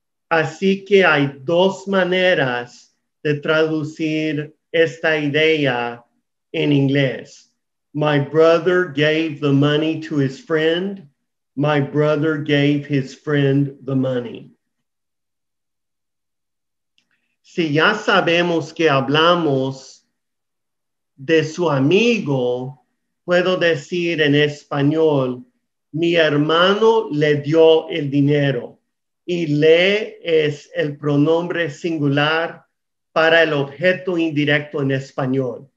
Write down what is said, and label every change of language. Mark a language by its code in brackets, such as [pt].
[es] Así que hay dos maneras de traducir esta idea en inglés. [en] My brother gave the money to his friend. My brother gave his friend the money. [es] Si ya sabemos que hablamos de su amigo, puedo decir en español, mi hermano le dio el dinero. Y le es el pronombre singular para el objeto indirecto en español.